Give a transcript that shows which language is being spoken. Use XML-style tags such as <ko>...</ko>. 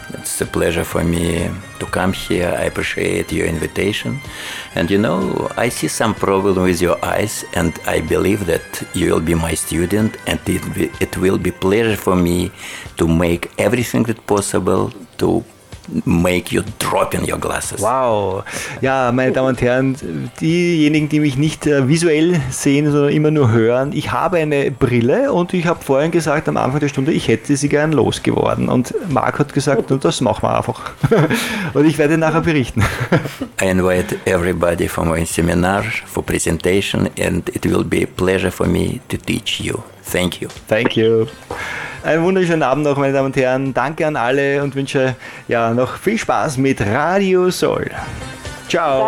<en>It's a pleasure for me to come here. I appreciate your invitation. And you know, I see some problem with your eyes, and I believe that you will be my student, and it will be pleasure for me to make everything that possible to make you drop in your glasses. Wow.</en> <de>Ja, meine Damen und Herren, diejenigen, die mich nicht visuell sehen, sondern immer nur hören, ich habe eine Brille, und ich habe vorhin gesagt, am Anfang der Stunde, ich hätte sie gern losgeworden. Und Marc hat gesagt, nun, das machen wir einfach. Und ich werde nachher berichten.</de> <en>I invite everybody for my seminar, for presentation, and it will be a pleasure for me to teach you. Thank you. Thank you.</en> <de>Einen wunderschönen Abend noch, meine Damen und Herren. Danke an alle und wünsche ja noch viel Spaß mit Radio Sol. Ciao.</de>